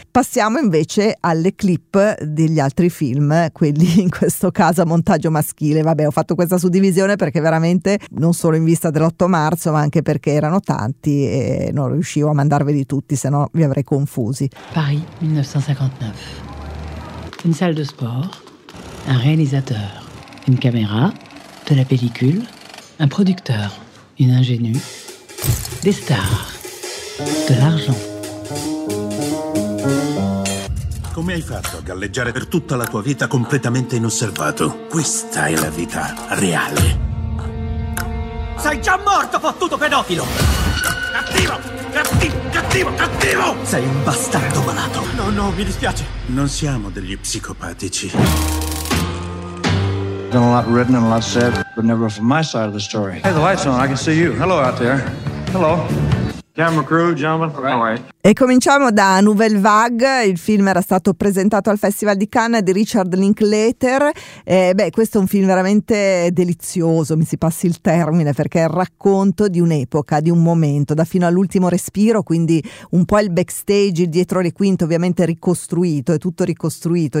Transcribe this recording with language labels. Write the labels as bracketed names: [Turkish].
[Italian] Passiamo invece alle clip degli altri film, quelli in questo caso a montaggio maschile. Vabbè, ho fatto questa suddivisione perché veramente, non solo in vista dell'8 marzo, ma anche perché erano tanti e non riuscivo a mandarveli tutti, se no vi avrei confusi. [French] Paris 1959. Une salle de sport, un réalisateur, une caméra, de la pellicule, un producteur, une ingénue, des stars, de l'argent. [Italian] Come hai fatto a galleggiare per tutta la tua vita completamente inosservato? Questa è la vita reale. Sei già morto, fottuto pedofilo! Cattivo! Cattivo! Cattivo! Sei un bastardo malato. No, no, mi dispiace. Non siamo degli psicopatici. [English] Been a lot written and a lot said, but never from my side of the story. Hey, the light's on. I can see you. Hello out there. Hello. Camera crew, gentlemen. All right. [Italian] E cominciamo da Nouvelle Vague. Il film era stato presentato al Festival di Cannes di Richard Linklater. Questo è un film veramente delizioso, mi si passi il termine, perché è il racconto di un'epoca, di un momento, da Fino all'ultimo respiro, quindi un po' il backstage, il dietro le quinte, ovviamente ricostruito, è tutto ricostruito.